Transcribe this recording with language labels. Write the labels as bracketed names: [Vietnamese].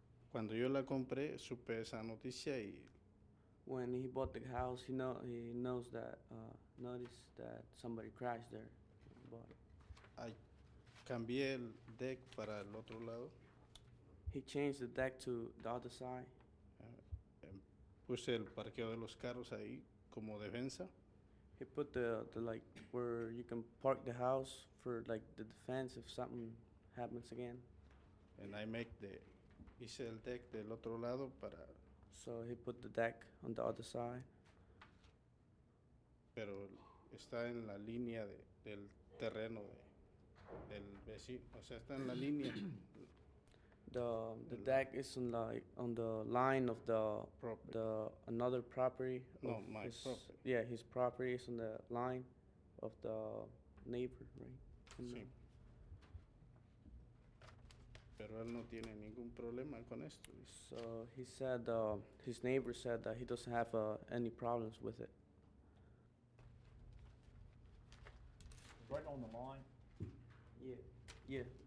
[Spanish] Cuando yo la compré, supe esa noticia y. [English] When he bought the house, noticed that somebody crashed there. [Spanish] I cambié el deck para el otro lado. [English] He changed the deck to the other side. [Spanish] Puse el parqueo de los carros ahí como defensa. [English] He put the like where you can park the house for like the defense if something happens again. And I make the [Spanish] hice el deck del otro lado para. [English] So he put the deck on the other side. [Spanish] Pero está en la línea del terreno del vecino, o sea, está en la línea. [English] The deck is on the line of the property. The another property. No, my his, property. Yeah, his property is on the line of the neighbor, right? [Spanish] Sí. [English] The... [Spanish] Pero él no tiene ningún problema con esto. [English] So he said, his neighbor said that he doesn't have any problems with it. Right on the line? Yeah. Yeah.